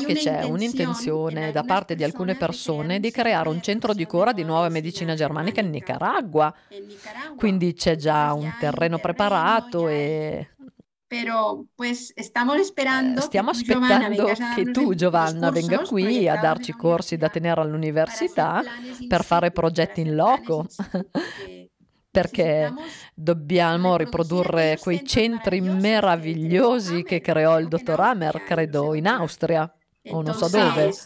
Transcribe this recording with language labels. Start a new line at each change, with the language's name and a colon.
Italian: che c'è un'intenzione da parte di alcune persone di creare un centro di cura di nuova medicina germanica in Nicaragua. Quindi c'è già un terreno preparato e... Però,
Spanish: pues, estamos esperando.
Italian: Stiamo aspettando che tu, Giovanna, venga qui a darci corsi da tenere all'università per fare progetti in loco. Perché dobbiamo riprodurre quei centri meravigliosi che creò il dottor Hammer, credo, in Austria, o non so dove.